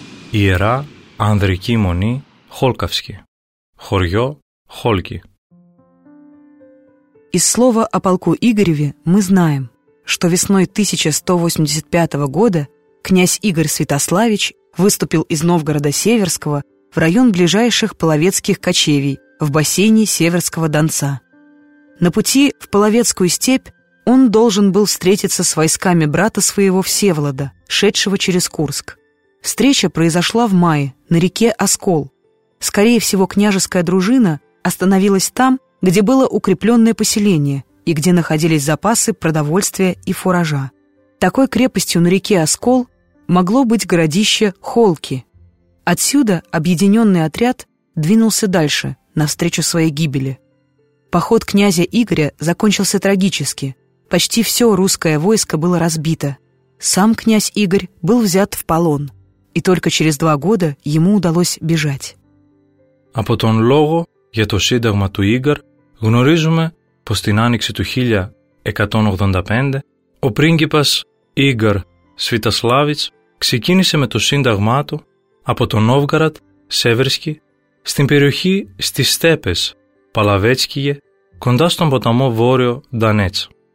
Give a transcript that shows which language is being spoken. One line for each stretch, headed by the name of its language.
Greek: Ιερά Ανδρική Μονή, Χόλκαυσκη. Χωριό, Χόλκη.
Russian: Из слова о полку Игореве мы знаем, что весной 1185 года князь Игорь Святославич выступил из Новгорода-Северского в район ближайших половецких кочевий в бассейне Северского Донца. На пути в Половецкую степь он должен был встретиться с войсками брата своего Всеволода, шедшего через Курск. Встреча произошла в мае на реке Оскол. Скорее всего, княжеская дружина остановилась там, где было укрепленное поселение и где находились запасы продовольствия и фуража. Такой крепостью на реке Оскол могло быть городище Холки. Отсюда объединенный отряд двинулся дальше, навстречу своей гибели. Поход князя Игоря закончился трагически. Почти все русское войско было разбито. Сам князь Игорь был взят в полон. И только через 2 года ему удалось бежать.
Greek: Από τον λόγο για το σύνταγμα του Ίγκαρ γνωρίζουμε πως την άνοιξη του 1185 ο πρίγκιπας Ίγκαρ Σβιτασλάβιτς ξεκίνησε με το σύνταγμά του από τον Νόβγκαραντ, Σέβερσκι, στην περιοχή στις στέπες Παλαβέτσκιγε, κοντά στον ποταμό Βόρειο Ντανέτς.